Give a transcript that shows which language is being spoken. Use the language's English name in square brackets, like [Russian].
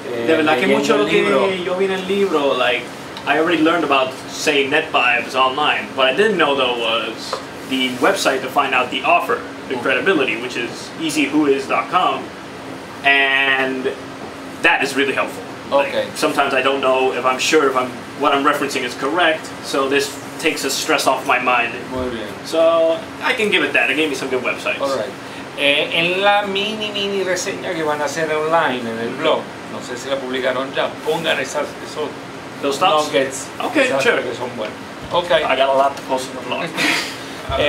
[English] De verdad que mucho lo que yo vi en el libro, like, I already learned about, say, NetVibes online, but I didn't know there was the website to find out the offer, the credibility, which is easywhois.com, and that is really helpful. Okay. Like, sometimes I don't know if I'm sure if I'm what I'm referencing is correct, so this takes the stress off my mind. [Spanish] Muy bien. [English] So I can give it that. It gave me some good websites. All right. [Spanish] En la mini reseña que van a hacer online en el blog, no sé si la publicaron ya, pongan esos [English] those thoughts? Nuggets. Okay, sure. [Spanish] Que son buenos. Okay. [English] I got a lot to post in the blog.